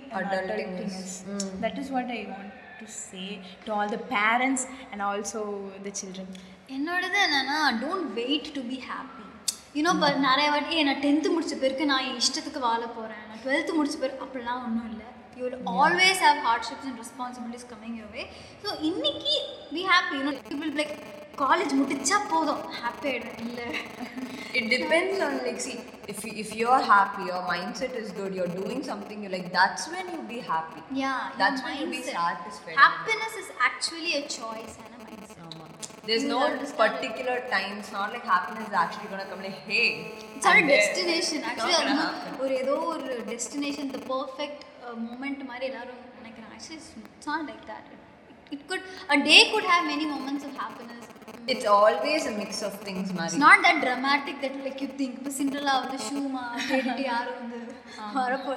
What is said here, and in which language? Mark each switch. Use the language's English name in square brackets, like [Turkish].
[English] Adulting is. That is what I want to say to all the parents and also the children. [Tamil] என்னோடது என்னென்னா, [English] Don't wait to be happy. [Tamil] You know, இப்போ நிறைய வாட்டி நான் 10th முடிச்ச பேருக்கு நான் இஷ்டத்துக்கு வாழ போகிறேன், நான் 12th முடிச்ச பேர் அப்படிலாம் ஒன்றும் இல்லை. [English] You will always have hardships and responsibilities coming your way. So, innikki be happy, you know. People will be like, college [Tamil] mudicha podum, [English] happy illa. It depends on, like, see, if you're happy, your mindset is good, you're doing something, you're like, that's when you'll be happy. Yeah, that's when you'll be satisfied. Happiness is actually a choice and a mindset. There's no particular time. It's not like happiness is actually going to come like, hey. It's not a destination. Actually, it's not a destination, the perfect moment [Tamil] மாதிரி எல்லாரும் நினைக்கிறாங்க. [English] Like that it could a day could have many moments of happiness. It's always a mix of things மாதிரி. It's not that dramatic that like you think [Tamil] இப்போ Cinderella வந்து ஷூமா கேட்டு யாரும் வந்து வரப்போ.